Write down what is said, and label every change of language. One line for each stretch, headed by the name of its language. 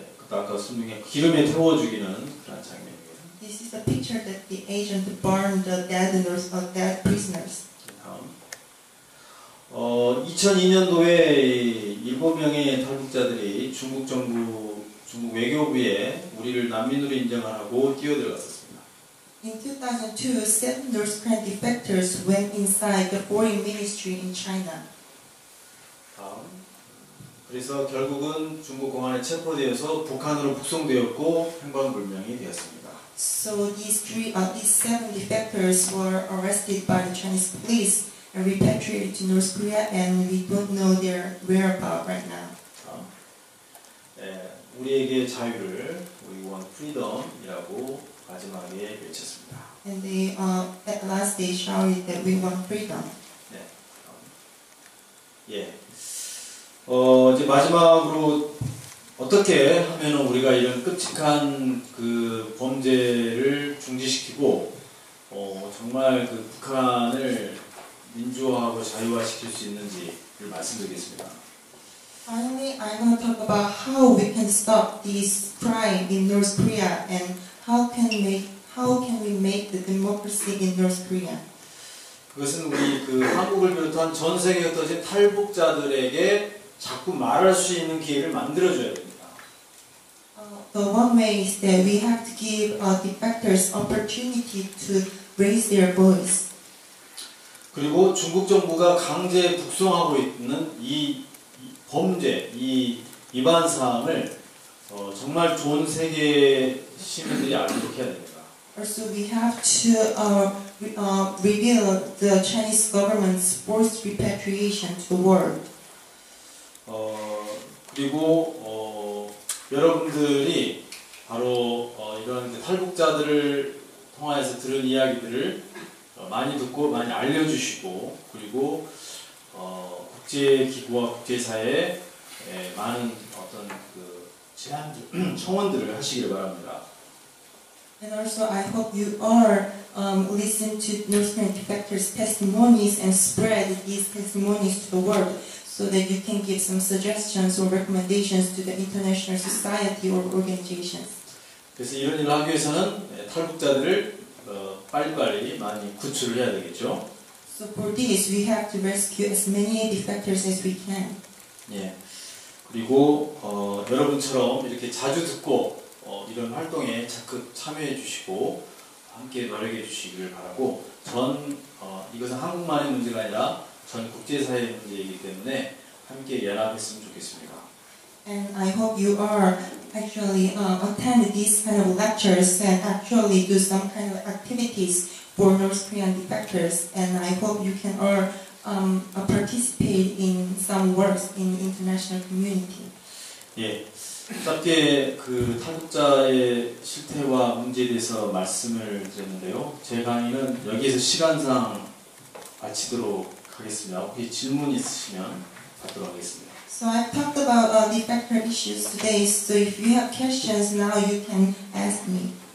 Korean: 아까 설명한 기름에 태워 죽이는 그런 장면이에요.
English: This is a picture that the agent burned the dead prisoners.
Korean: 다음. 2002년도에 7명의 탈북자들이 중국 외교부에 우리를 난민으로 인정하라고 뛰어들어갔었습니다.
English: In 2002, seven North Korean defectors went inside the Foreign Ministry in China.
Korean: 다음. 그래서 결국은 중국 공안에 체포되어서 북한으로 북송되었고 행방불명이 되었습니다.
English: So these seven defectors were arrested by the Chinese police and repatriated to North Korea, and we don't know their whereabouts right now.
Korean: 네, 우리에게 자유를
English: we want freedom
Korean: 이라고 마지막에 외쳤습니다.
English: And they at last they shouted that we want freedom.
Korean: 네. 예. 이제 마지막으로 어떻게 하면 우리가 이런 끔찍한 그 범죄를 중지시키고 정말 그 북한을 민주화하고 자유화시킬 수 있는지를 말씀드리겠습니다.
English: Finally, I want to talk about how we can stop this crime in North Korea and how can we make the democracy in North Korea.
Korean: 그것은 우리 그 한국을 비롯한 전 세계 어떤 탈북자들에게 자꾸 말할 수 있는 기회를 만들어줘야 됩니다.
English: The one way is that we have to give defectors opportunity to raise their voice.
Korean: 그리고 중국 정부가 강제 북송하고 있는 이 범죄, 이 위반 사항을 정말 좋은 세계 시민들이 알도록 해야 됩니다.
English: Also, we have to reveal the Chinese government's forced repatriation to the world.
Korean: 그리고 여러분들이 바로 이런 탈북자들을 통해서 들은 이야기들을 많이 듣고 많이 알려주시고 그리고 국제기구와 국제사회에 많은 어떤 그 제안들, 청원들을 하시길 바랍니다.
English: And also I hope you all listen to North Korean defectors' testimonies and spread these testimonies to the world so that you can give some suggestions or recommendations to the international society or organizations.
Korean: 그래서 이런 일을 하기 위해서는 탈북자들을 빨리빨리 많이 구출을 해야 되겠죠.
English: So for this, we have to rescue as many defectors as we can.
Korean: 예. 그리고 여러분처럼 이렇게 자주 듣고 이런 활동에 적극 참여해 주시고 함께 노력해 주시길 바라고 전 이것은 한국만의 문제가 아니라 전 국제사회의 문제이기 때문에 함께 연합했으면 좋겠습니다.
English: And I hope you are actually attend these kind of lectures and actually do some kind of activities for North Korean defectors. And I hope you can all participate in some works in the international community.
Korean: 예, 짧게 그 탈북자의 실태와 문제에 대해서 말씀을 드렸는데요. 제 강의는 여기에서 시간상 마치도록 하겠습니다. 혹시 질문 있으시면 받도록 하겠습니다.
English: So I've talked about defector issues today, so if you have questions, now you can ask me.